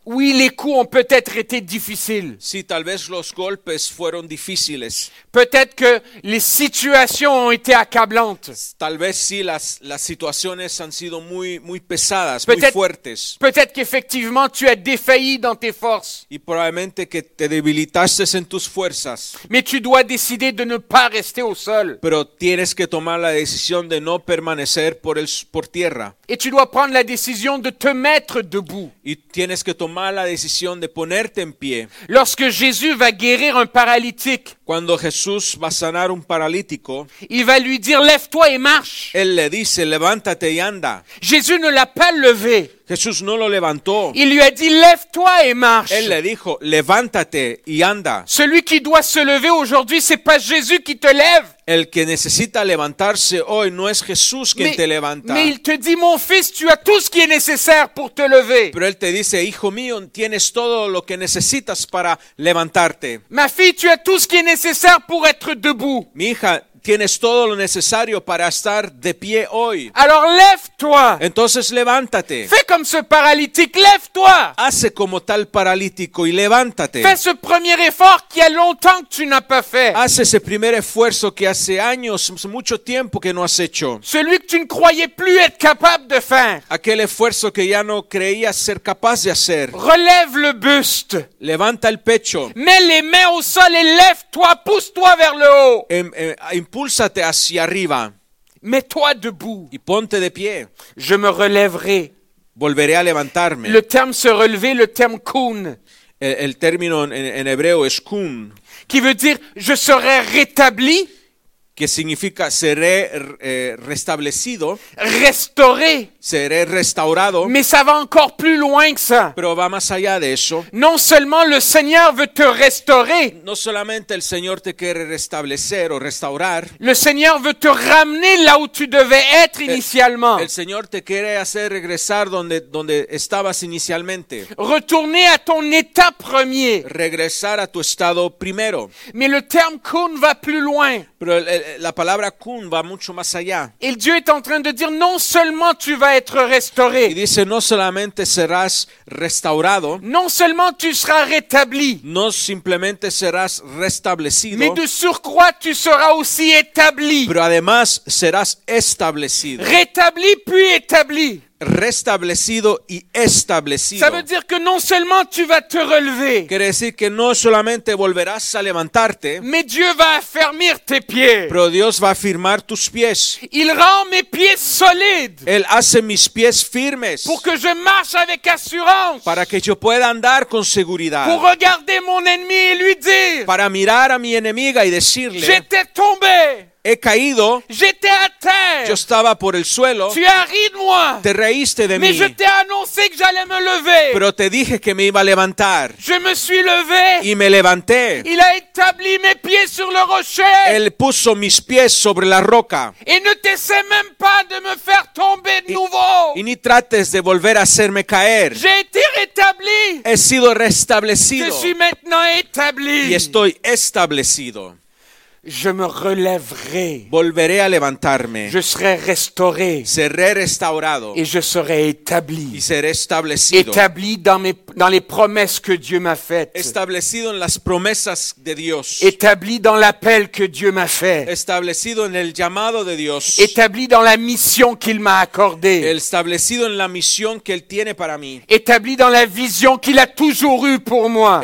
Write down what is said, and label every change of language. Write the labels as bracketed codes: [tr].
[fr] Oui, les coups ont peut-être été difficiles. [es] Sí, tal vez los golpes fueron difíciles. [fr] Peut-être que les situations ont été accablantes. [es] Tal vez sí, las situaciones han sido muy muy pesadas, [fr] peut-être, [es] muy fuertes. [fr] Peut-être qu'effectivement tu as défailli dans tes forces. [es] Y probablemente que te debilitaste en tus fuerzas. [fr] Mais tu dois décider de ne pas rester au sol. [es] Pero tienes que tomar la decisión de no permanecer por tierra. [fr] Et tu dois prendre la décision de te mettre debout. [es] Y tienes que tomar la decisión de ponerte en pie. [fr] Lorsque Jésus va guérir un paralytique, [es] cuando Jesús va a sanar un paralítico, [fr] il va lui dire lève-toi et marche. [es] Él le dice levántate y anda. [fr] Jésus ne l'a pas levé. [es] Jesús no lo levantó. [fr] Il lui a dit, lève-toi et marche. [es] Él le dijo, levántate y anda. [fr] Celui qui doit se lever aujourd'hui, c'est pas Jésus qui te lève. [es] El que necesita levantarse hoy no es Jesús quien te levanta. [fr] Mais il te dit, mon fils, tu as tout ce qui est nécessaire pour te lever. [es] Pero él te dice, hijo mío, tienes todo lo que necesitas para levantarte. [fr] Ma fille, tu as tout ce qui est nécessaire pour être debout. [es] Mi hija, tienes todo lo necesario para estar de pie hoy. [fr] Alors lève-toi. [es] Entonces levántate. [fr] Fais comme ce paralytique, lève-toi. [es] Hace como tal paralítico y levántate. [fr] Fais ce premier effort qui a longtemps que tu n'as pas fait. [es] Haz ese primer esfuerzo que hace años, mucho tiempo que no has hecho. [fr] Celui que tu ne croyais plus être capable de faire. [es] Aquel esfuerzo que ya no creías ser capaz de hacer. [fr] Relève le buste. [es] Levanta el pecho. [fr] Mets les mains au sol et lève-toi, pousse-toi vers le haut. [es] Impúlsate hacia arriba. [fr] Mets-toi debout. [es] Y ponte de pie. [fr] Je me relèverai. [es] Volveré a levantarme. [fr] Le terme se relever, le terme kun. [es] El término en hebreo es kun. [fr] Qui veut dire je serai rétabli. [es] Que significa seré restablecido. [fr] Restauré. [es] Seré restaurado. [fr] Mais ça va encore plus loin que ça. [es] Pero va más allá de eso. [fr] Non seulement le Seigneur veut te restaurer. [es] No solamente el Señor te quiere restablecer o restaurar. [fr] Le Seigneur veut te ramener là où tu devais être initialement. [es] El Señor te quiere hacer regresar donde estabas inicialmente. [fr] Retourner à ton état premier. [es] Regresar a tu estado primero. [fr] Mais le terme kun va plus loin. [es] Pero la palabra kun va mucho más allá. [fr] Et Dieu est en train de dire non seulement tu vas être restauré. [es] Y dice, no solamente serás restaurado. [fr] Non seulement tu seras rétabli. [es] No simplemente serás restablecido. [fr] Mais de surcroît tu seras aussi établi. [es] Pero además serás establecido. [fr] Rétabli puis établi. [es] Restablecido y establecido. [fr] Ça veut dire que non seulement tu vas te relever. [es] Quiere decir que no solamente volverás a levantarte. [fr] Mais Dieu va affermir tes pieds. [es] Pero Dios va a firmar tus pies. [fr] Il rend mes pieds solides. [es] Él hace mis pies firmes. [fr] Pour que je marche avec assurance. [es] Para que yo pueda andar con seguridad. [fr] Pour regarder mon ennemi et lui dire. [es] Para mirar a mi enemiga y decirle. [fr] J'étais tombé. [es] He caído. [fr] J'étais à terre. [es] Yo estaba por el suelo. [fr] Tu as ri de moi. [es] Te reíste de [fr] mais [es] mí. [fr] Mais je t'ai annoncé que j'allais me lever. [es] Pero te dije que me iba a levantar. [fr] Je me suis levé. [es] Y me levanté. [fr] Il a établi mes pieds sur le rocher. [es] Él puso mis pies sobre la roca. [fr] Et ne t'essaie même pas de me faire tomber de nouveau. [es] Y ni trates de volver a hacerme caer. [fr] J'ai été rétabli. [es] He sido restablecido. [fr] Je suis maintenant établi. [es] Y estoy establecido. [fr] Je me relèverai. [es] Volveré a levantarme. [fr] Je serai restauré. [es] Seré restaurado. [fr] Et je serai établi. [es] Y seré establecido. [fr] Établi dans les promesses que Dieu m'a faites. [es] Establecido en las promesas de Dios. [fr] Établi dans l'appel que Dieu m'a fait. [es] Establecido en el llamado de Dios. [fr] Établi dans la mission qu'il m'a accordée. [es] Establecido en la misión que él tiene para mí. [fr] Établi dans la vision qu'il a toujours eue pour moi.